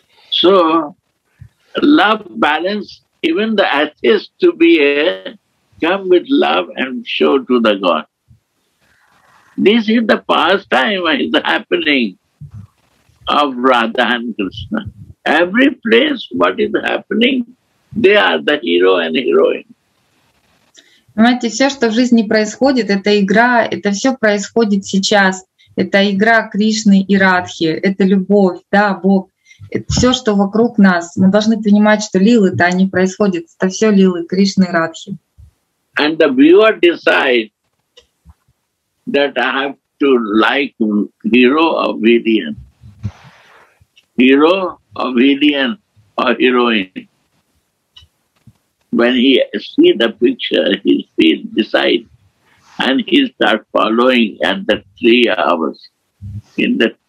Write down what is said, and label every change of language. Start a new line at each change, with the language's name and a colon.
English: So love balance even the atheist to be a come with love and show to the God. This is the pastime is happening of Radha and Krishna. Every place, what is happening, they are the hero and heroine.
Russian: Понимаете, все, что в жизни происходит, это игра, это все происходит сейчас. Это игра Кришны и Радхи, это любовь, да, Бог. Все, что вокруг нас, мы должны понимать, что лилы-то, они происходят, это все лилы, Кришны и Радхи.
English: And the viewer decides, that I have to like hero or villain. Hero or villain or heroine. When he sees the picture, he feels decide and he starts following at the 3 hours. In the